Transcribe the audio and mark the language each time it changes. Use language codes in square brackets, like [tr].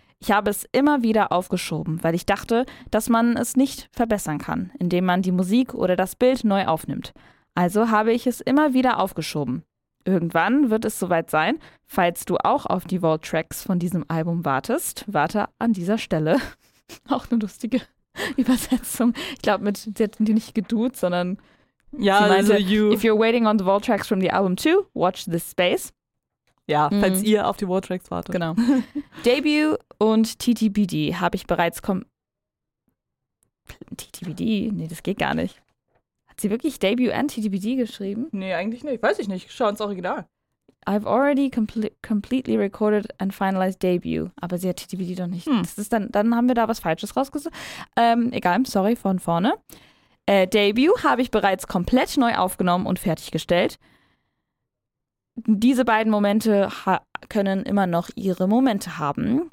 [de] Ich habe es immer wieder aufgeschoben, weil ich dachte, dass man es nicht verbessern kann, indem man die Musik oder das Bild neu aufnimmt. Also habe ich es immer wieder aufgeschoben. Irgendwann wird es soweit sein, falls du auch auf die Vault Tracks von diesem Album wartest, warte an dieser Stelle. Auch eine lustige Übersetzung. Ich glaube, mit sie hätten die nicht geduzt, sondern ja, sie meinte, also you. [en] If you're waiting on the Vault Tracks from the album 2, watch this space. [de] Ja, falls ihr auf die Wardracks wartet. Genau. Debut und TTBD habe ich bereits TTBD? Nee, das geht gar nicht. Hat sie wirklich Debut und TTBD geschrieben? Nee, eigentlich nicht. Weiß ich nicht. Schau ins Original. [en] I've already completely recorded and finalized Debut. [de] Aber sie hat TTBD doch nicht. Hm. Das ist dann haben wir da was Falsches rausgesucht. Egal, sorry, von vorne. Debut habe ich bereits komplett neu aufgenommen und fertiggestellt. Diese beiden Momente können immer noch ihre Momente haben.